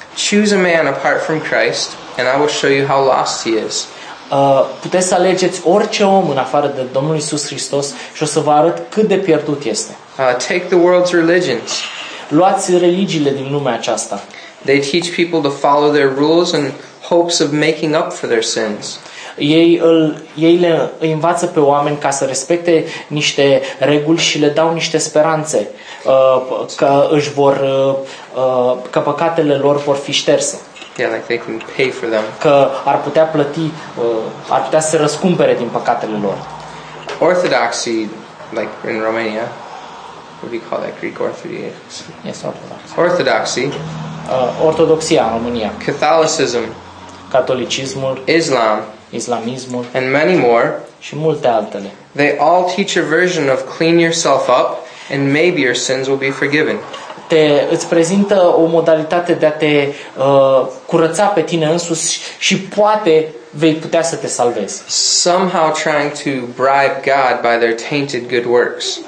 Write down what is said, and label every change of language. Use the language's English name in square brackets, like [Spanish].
[English] Choose a man apart from Christ and I will show you how lost he is. [Romanian] Puteți să alegeți orice om în afară de Domnul Iisus Hristos și o să vă arăt cât de pierdut este. [English] Take the world's religions. [Romanian] Luați religiile din lumea aceasta. [English] They teach people to follow their rules in hopes of making up for their sins. [Romanian] Ei le învață pe oameni ca să respecte niște reguli și le dau niște speranțe că păcatele lor vor fi șterse. [English] Yeah, like they can pay for them. [Romanian] Că ar putea plăti, ar putea să răscumpere din păcatele lor. [English] Orthodoxy, like in Romania, what do you call that? Greek Orthodoxy. Yes, Orthodoxy. Orthodoxy. [Romanian] Ortodoxia în România. [English] Catholicism. [Romanian] Catolicismul. [English] Islam. [Romanian] Islamismul. [English] And many more. [Romanian] Și multe altele. [English] They all teach a version of clean yourself up and maybe your sins will be forgiven. [Romanian] Îți prezintă o modalitate de a te curăța pe tine însuți și poate vei putea să te salvezi. [English] Somehow trying to bribe God by their tainted good works.